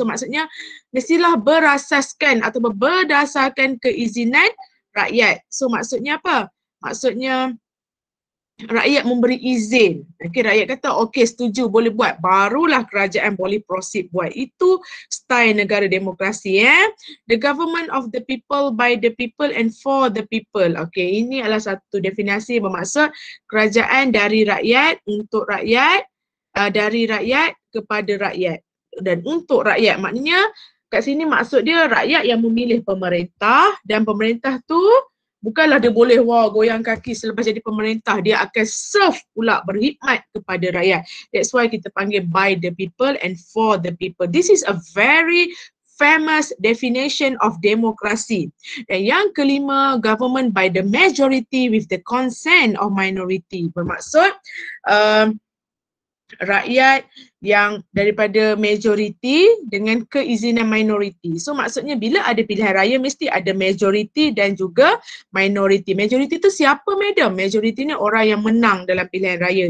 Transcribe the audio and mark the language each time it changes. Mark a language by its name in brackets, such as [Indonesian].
[Malay] So maksudnya mestilah berasaskan atau berdasarkan keizinan rakyat. So maksudnya apa? Maksudnya rakyat memberi izin. Okay, rakyat kata okay, setuju, boleh buat. Barulah kerajaan boleh proceed buat. Itu style negara demokrasi. [English] The government of the people, by the people and for the people. [Malay] Okay, ini adalah satu definisi bermaksud kerajaan dari rakyat, untuk rakyat, dari rakyat kepada rakyat dan untuk rakyat. Maknanya kat sini maksud dia rakyat yang memilih pemerintah, dan pemerintah tu bukanlah dia boleh wah goyang kaki selepas jadi pemerintah, dia akan serve pula, berkhidmat kepada rakyat. [English] That's why [Malay] kita panggil [English] by the people and for the people. This is a very famous definition of democracy. [Malay] Dan yang kelima, [English] government by the majority with the consent of minority. [Malay] Bermaksud rakyat yang daripada majoriti dengan keizinan minoriti. So maksudnya bila ada pilihan raya mesti ada majoriti dan juga minoriti. Majoriti tu siapa, madam? Majoriti ni orang yang menang dalam pilihan raya.